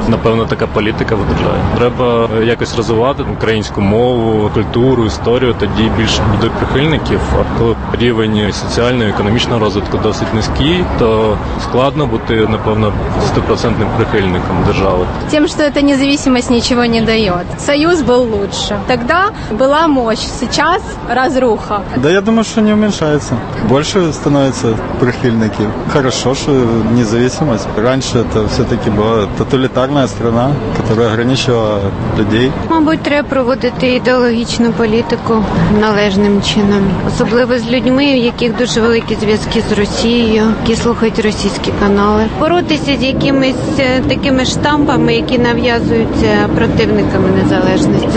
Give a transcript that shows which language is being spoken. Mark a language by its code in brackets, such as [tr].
[uk] Напевно, така політика в державі. Треба якось розвивати українську мову, культуру, історію, тоді більше буде прихильників. А коли рівень соціального, економічного розвитку досить низький, то складно бути, напевно, 100% прихильником держави. [ru] Тем, что эта независимость ничего не дает. Союз был лучше. Тогда была мощь, сейчас разруха. Да я думаю, что не уменьшается. Больше становятся прихильники. Хорошо, что независимость. Раньше это все-таки была тоталитарная страна, которая ограничивала людей. [uk] Мабуть, треба проводити ідеологічну політику належним чином. Особливо з людьми, у яких дуже великі зв'язки з Росією, які слухають російські канали. Боротися з якимись такими штампами, які нав'язуються противниками незалежності.